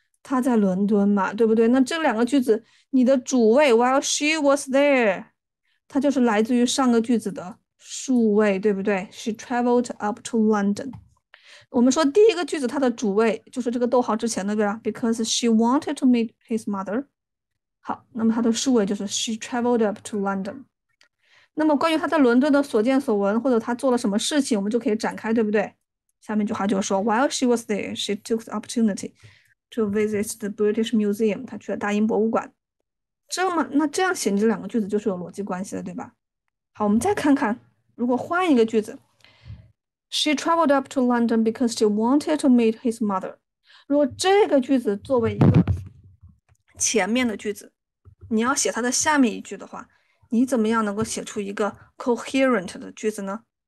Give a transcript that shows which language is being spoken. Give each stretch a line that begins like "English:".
Chinese: 她在伦敦嘛，对不对？那这两个句子，你的主谓
English: While she was there，
Chinese: 它就是来自于上个句子的数位，对不对？
English: She traveled up to London。
Chinese: 我们说第一个句子，它的主谓就是这个逗号之前那个呀，
English: because she wanted to meet his mother。
Chinese: 好，那么它的数位就是
English: she traveled up to London。
Chinese: 那么关于他在伦敦的所见所闻，或者他做了什么事情，我们就可以展开，对不对？下面一句话就说，
English: While she was there, she took the opportunity to visit the British Museum。
Chinese: 她去了大英博物馆。这么，那这样写你这两个句子就是有逻辑关系的，对吧？好，我们再看看，如果换一个句子。
English: She traveled up to London because she wanted to meet his mother。
Chinese: 如果这个句子作为一个前面的句子，你要写它的下面一句的话，你怎么样能够写出一个 coherent 的句子呢？